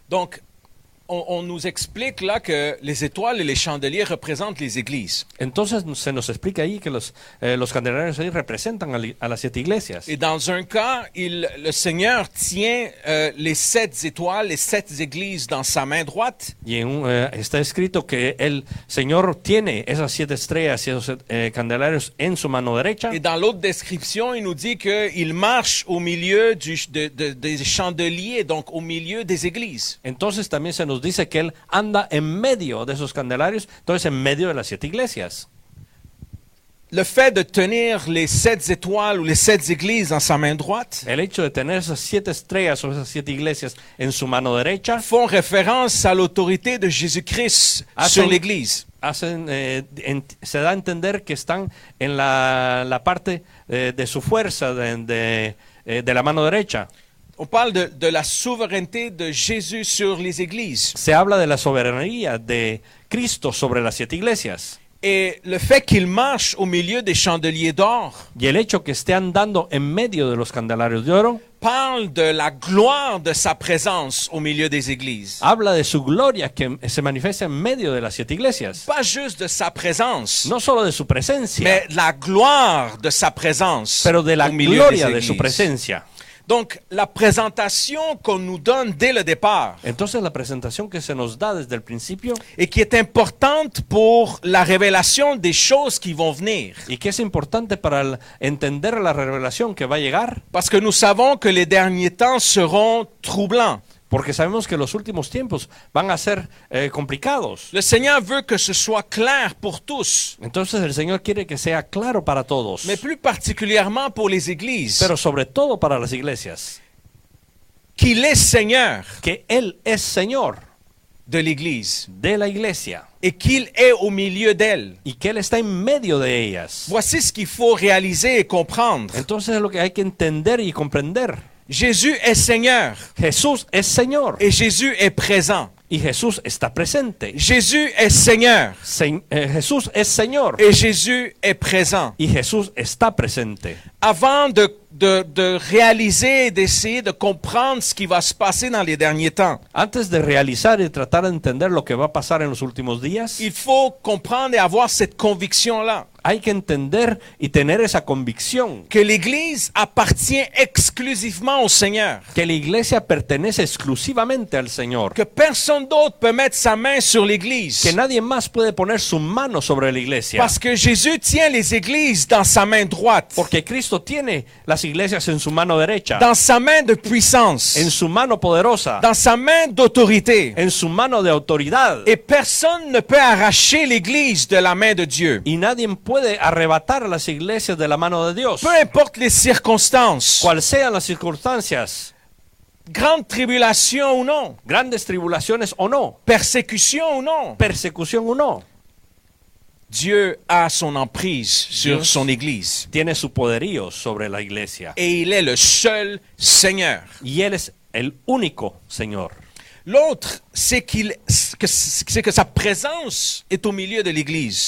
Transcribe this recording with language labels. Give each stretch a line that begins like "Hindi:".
French: Donc, on nous explique là que les étoiles et les chandeliers représentent les églises.
Spanish: Entonces se nos explica ahí que los candelarios ahí representan a las 7 iglesias.
French: Et dans un cas, le Seigneur tient les 7 étoiles, les 7 églises dans sa main droite.
Spanish: Y está escrito que el Señor tiene esas 7 estrellas y esos 7 candelarios en su mano derecha.
French: Et dans l'autre description, il nous dit qu'il marche au milieu des chandeliers, donc au milieu des églises.
Spanish: Entonces también se nos dice que él anda en medio de esos candelarios, entonces en medio de las 7 iglesias.
French: Le fait de tenir les 7 étoiles ou les 7 églises dans sa main droite,
Spanish: el hecho de tener esas 7 estrellas o esas 7 iglesias en su mano derecha,
French: font référence à l'autorité de Jésus-Christ sur l'église.
Spanish: Se da a entender que están en la parte de su fuerza de la mano derecha.
French: On parle de la souveraineté de Jésus sur les églises.
Spanish: Se habla de la soberanía de Cristo sobre las 7 iglesias.
French: Et le fait qu'il marche au milieu des chandeliers d'or.
Spanish: Y el hecho que esté andando en medio de los candelarios de oro.
French: parle de la gloire de sa présence au milieu des églises.
Spanish: Habla de su gloria que se manifiesta en medio de las siete iglesias.
French: Pas juste de sa présence.
Spanish: No solo de su presencia.
French: Mais la gloire de sa présence.
Spanish: Pero de la gloria de su presencia.
French: Donc la présentation qu'on nous donne dès le départ.
Spanish: Entonces la presentación que se nos da desde el principio.
French: Et qui est importante pour la révélation des choses qui vont venir.
Spanish: Y que es importante para entender la revelación que va a llegar.
French: Parce que nous savons que les derniers temps seront troublants.
Spanish: Porque sabemos que los últimos tiempos van a ser complicados.
French: Le Seigneur veut que ce soit clair pour tous.
Spanish: Entonces el Señor quiere que sea claro para todos.
French: Mais plus particulièrement pour les églises.
Spanish: Pero sobre todo para las iglesias.
French: Qu'il est Seigneur.
Spanish: Que él es Señor
French: de l'église,
Spanish: de la iglesia.
French: Et qu'il est au milieu d'elle.
Spanish: Y que él está en medio de ellas.
French: Voici ce qu'il faut réaliser et comprendre.
Spanish: Entonces es lo que hay que entender y comprender.
French: Jésus est Seigneur.
Spanish: Jesús es Señor.
French: Et Jésus est présent.
Spanish: Y Jesús está presente.
French: Jésus est Seigneur.
Spanish: Jesús es Señor.
French: Et Jésus est présent.
Spanish: Y Jesús está presente.
French: Avant de réaliser et d'essayer de comprendre ce qui va se passer dans les derniers temps.
Spanish: Antes de realizar y tratar de entender lo que va a pasar en los últimos días.
French: Il faut comprendre et avoir cette conviction là.
Spanish: Hay que entender y tener esa convicción.
French: Que l'église appartient exclusivement au Seigneur.
Spanish: Que la iglesia pertenece exclusivamente al Señor.
French: Que personne d'autre peut mettre sa main sur l'église.
Spanish: Que nadie más puede poner su mano sobre la iglesia.
French: Parce que Jésus tient les églises dans sa main droite.
Spanish: Porque Cristo tiene las iglesias en su mano derecha.
French: Dans sa main de puissance.
Spanish: En su mano poderosa.
French: Dans sa main d'autorité.
Spanish: En su mano de autoridad.
French: Et personne ne peut arracher l'église de la main de Dieu.
Spanish: Y nadie puede arrebatar a las iglesias de la mano de Dios.
French: Peu importe les circonstances.
Spanish: Cual sean las circunstancias. Grande tribulación o no. Grandes tribulaciones o no. Persecución o no. Persecución o no.
French: Dieu a son emprise sur son église.
Spanish: Tiene su poderío sobre la iglesia.
French: Et il est le seul Seigneur.
Spanish: Y él es el único Señor.
French: L'autre, c'est que sa présence est au milieu de l'église.